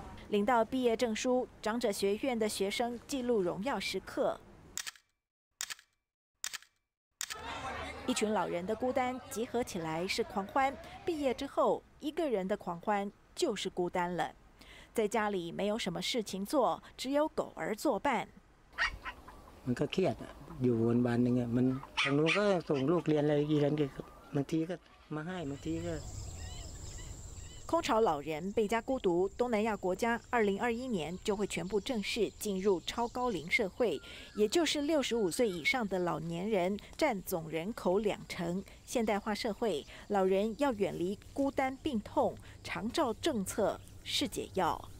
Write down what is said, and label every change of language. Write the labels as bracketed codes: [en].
[zh] 领到毕业证书，长者学院的学生记录荣耀时刻。一群老人的孤单集合起来是狂欢，毕业之后一个人的狂欢就是孤单了。在家里没有什么事情做，只有狗儿作伴。 [th] มันก็เครียดอยู่บนบ้านนึงมันทางนู้นก็ส่งลูกเรียนอะไรอีกแล้วก็บางทีก็มาให้บางทีก็ [zh] 空巢老人倍加孤独，东南亚国家2021年就会全部正式进入超高龄社会，也就是65岁以上的老年人占总人口20%。现代化社会，老人要远离孤单病痛，长照政策是解药。